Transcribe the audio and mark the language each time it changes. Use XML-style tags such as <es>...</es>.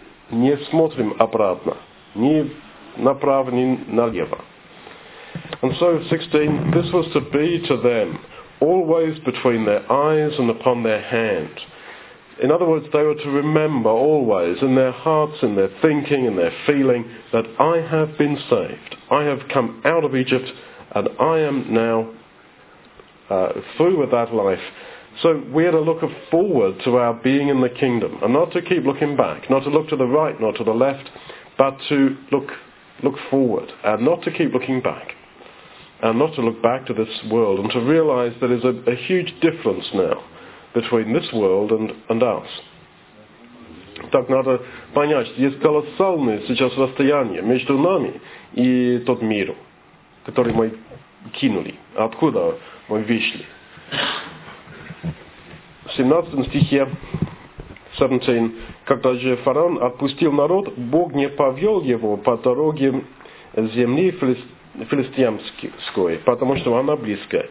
<ru>Не смотрим обратно, ни направо, ни налево.</ru> <en>And so, 16, this was to be to them, always between their eyes and upon their hand. In other words, they were to remember always in their hearts, in their thinking, in their feeling, that I have been saved. I have come out of Egypt, and I am now through with that life. So we had a look of forward to our being in the kingdom, and not to keep looking back, not to look to the right nor to the left, but to look forward, and not to keep looking back, and not to look back to this world, and to realize there is a huge difference now between this world and us.</en> <ru>Так надо понять, что есть колоссальное сейчас расстояние между нами и тот мир, который мы кинули, откуда мы вышли. В 17 стихе, 17, когда же фараон отпустил народ, Бог не повел его по дороге земли филистимской, потому что она близко.</ru>